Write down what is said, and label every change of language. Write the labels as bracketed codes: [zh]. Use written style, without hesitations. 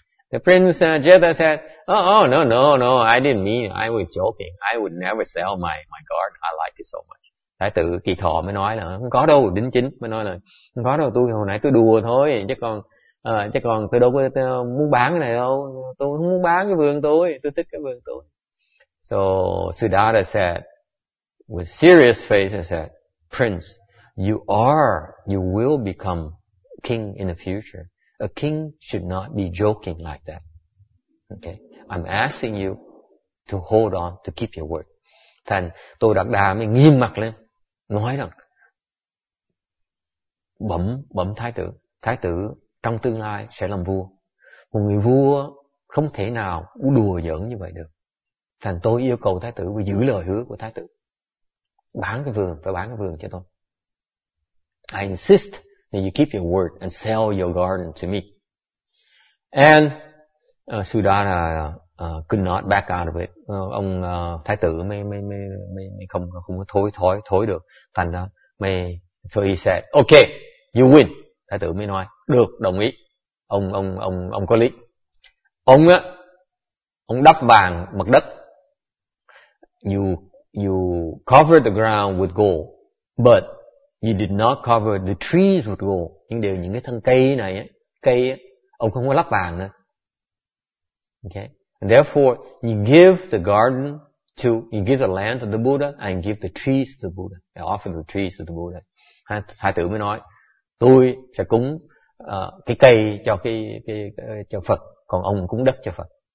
[en] The prince Jeta said, "Oh, no, I didn't mean it. I was joking. I would never sell my garden. I like it so much." [vi] Thái tử kỳ thọ mới nói là không có đâu, đính chính mới nói là không có đâu, tôi hồi nãy tôi đùa thôi, chứ còn tôi đâu có muốn bán cái này đâu, tôi không muốn bán cái vườn tôi thích cái vườn tôi. [en] So Siddhartha said with serious face, he said, "Prince, you will become king in the future. A king should not be joking like that. Okay, I'm asking you to hold on, to keep your word." [vi] Thành Tô Đạt Đà mới nghiêm mặt lên nói rằng, bẩm thái tử trong tương lai sẽ làm vua. Một người vua không thể nào đùa giỡn như vậy được. Thành tôi yêu cầu thái tử phải giữ lời hứa của thái tử. Bán cái vườn cho tôi. [en] I insist that you keep your word and sell your garden to me. And Siddhartha could not back out of it. [vi] Ông thái tử mới không có thối được. Thành đó, [en] so he said, "Okay, you win." [vi] Thái tử mới nói, "Được, đồng ý. Ông có lý. Ông đắp vàng mặt đất. [en] You covered the ground with gold, but you did not cover the trees with gold." [vi] Nhưng đều những cái thân cây này ấy, cây ấy, ông không có lắp vàng nữa. [en] Okay. And therefore, you give the garden to, you give the land to the Buddha and give the trees to the Buddha. You offer the trees to the Buddha. [vi] Thái tử mới nói, tôi sẽ cúng cái cây cho cho Phật, còn ông cúng đất cho Phật.